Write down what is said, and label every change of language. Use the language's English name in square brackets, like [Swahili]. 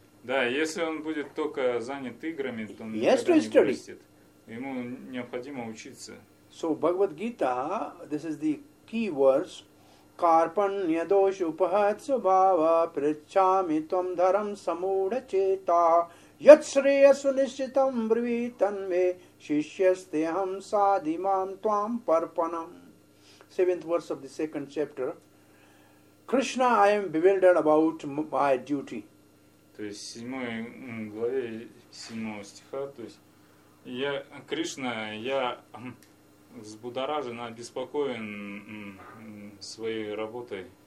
[Russian] Да, если он будет только занят играми, то он [English] yes, [Russian] никогда to не вырастет. Ему необходимо учиться. [English] So Bhagavad Gita, this is the key words. [Sanskrit] Karpanya dosha upahatsa bhava prichami tvam dharam samudha cheta yat shreya sunishchitam brvitanme shishyaste aham sadhimam tvam parpanam. [English] Seventh verse of the second chapter. Krishna, I am bewildered about my duty. [Russian] То есть в 7 главе 7 стиха, то есть я, Кришна, я взбудоражен, обеспокоен своей работой.